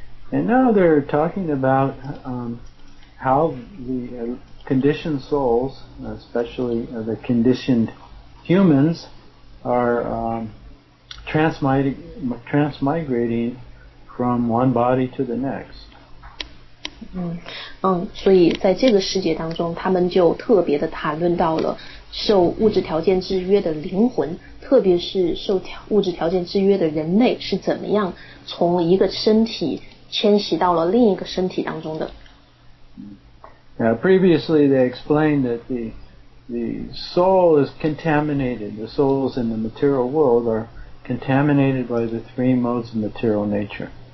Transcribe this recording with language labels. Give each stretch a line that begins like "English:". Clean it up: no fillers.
English: And now they're talking about how the conditioned souls, especially the conditioned humans, are transmigrating from one body to the next.
Chinese: 所以在这个世界当中，他们就特别的谈论到了受物质条件制约的灵魂，特别是受物质条件制约的人类是怎么样从一个身体 迁徙到了另一个身体当中的。
English: Now, previously they explained that the soul is contaminated. The souls in the material world are contaminated by the three modes of material nature.